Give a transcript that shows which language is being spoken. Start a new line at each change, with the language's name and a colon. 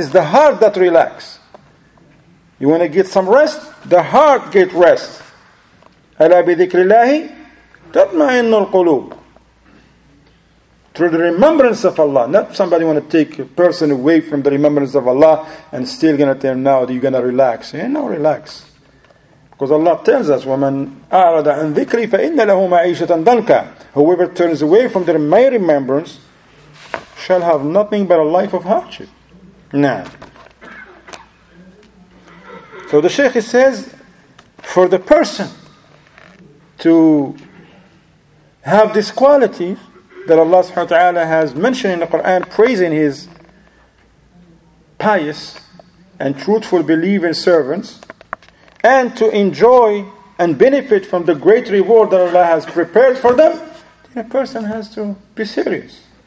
English: It's the heart that relax. You want to get some rest? The heart get rest.
Arabic: أَلَا بِذِكْرِ اللَّهِ تَطْمَئِنُّ الْقُلُوبِ.
English: Through the remembrance of Allah. Not somebody want to take a person away from the remembrance of Allah and still going to tell him now that you're going to relax. You ain't no relax. Because Allah tells us,
Arabic: وَمَنْ أَعْرَضَ عَنْ ذِكْرِ فَإِنَّ لَهُ مَعِيشَةً ضَنْكًا.
English: Whoever turns away from my remembrance shall have nothing but a life of hardship. Nah. So the Sheikh, he says, for the person to have this quality that Allah subhanahu wa ta'ala has mentioned in the Quran, praising his pious and truthful believing servants, and to enjoy and benefit from the great reward that Allah has prepared for them, then a person has to be serious